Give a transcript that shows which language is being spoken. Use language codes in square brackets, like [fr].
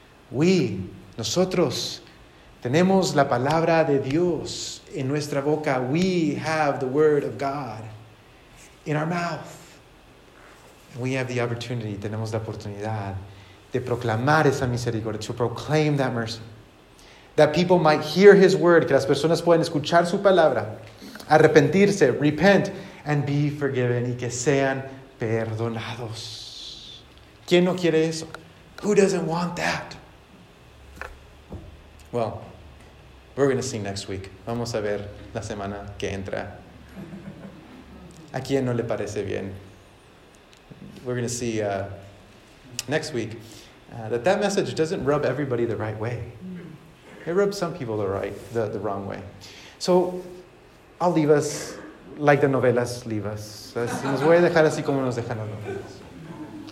[es] We, nosotros, tenemos la palabra de Dios en nuestra boca. [en] We have the word of God in our mouth. We have the opportunity, [es] tenemos la oportunidad de proclamar esa misericordia, [en] to proclaim that mercy. That people might hear his word, [es] que las personas puedan escuchar su palabra, arrepentirse, [en] repent, and be forgiven, [es] y que sean perdonados. ¿Quién no quiere eso? [en] Who doesn't want that? Well, we're going to see next week. [es] Vamos a ver la semana que entra. ¿A quién no le parece bien? [en] We're going to see next week that message doesn't rub everybody the right way. It rubs some people the wrong way. So I'll leave us like the novelas leave us. [es] Nos voy a dejar así como nos dejan las novelas.